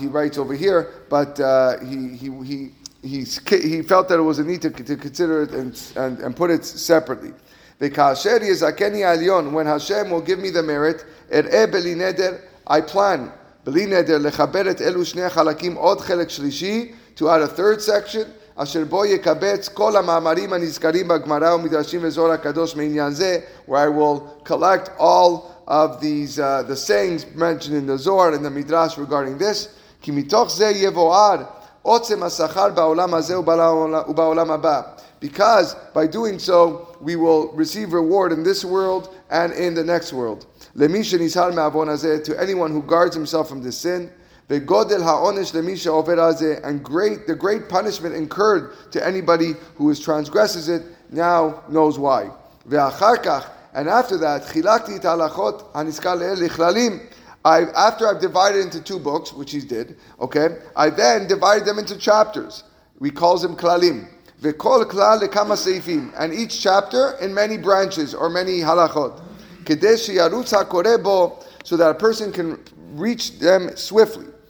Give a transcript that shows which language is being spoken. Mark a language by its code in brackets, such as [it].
[en] He writes over here, but he felt that it was a need to consider it and put it separately. [he] וכאשר יזכני העליון, [en] when Hashem will give me the merit, [he] אראה בלי נדר, [en] I plan, [he] בלי נדר, לחבר את אלו שני החלקים, עוד חלק שלישי, [en] to add a third section, [he] אשר בו יקבץ כל המאמרים הנזכרים בגמרא ומדרשים וזוהר הקדוש מעניין זה, [en] where I will collect all of these, the sayings mentioned in the Zohar and the Midrash regarding this, [he] כי מתוך זה יבואר עוצם השכר בעולם הזה ובעולם הבא. [en] Because by doing so, we will receive reward in this world and in the next world. [he] למי שנזהר מהעוון הזה, [en] to anyone who guards himself from this sin, [he] וגודל העונש למי שעובר על זה, [en] and the great punishment incurred to anybody who transgresses it, now knows why. [he] ואחר כך, [en] and after that, [he] חילקתי את ההלכות הנזכר לאל לכללים. [en] After I've divided into two books, which he did, okay, I then divided them into chapters. We call them klalim. [he] וכל כלל לכמה סעיפים, [en] and each chapter in many branches or many halachot, [he] כדי שירוץ הקורא בו, [en] so that a person can reach them swiftly.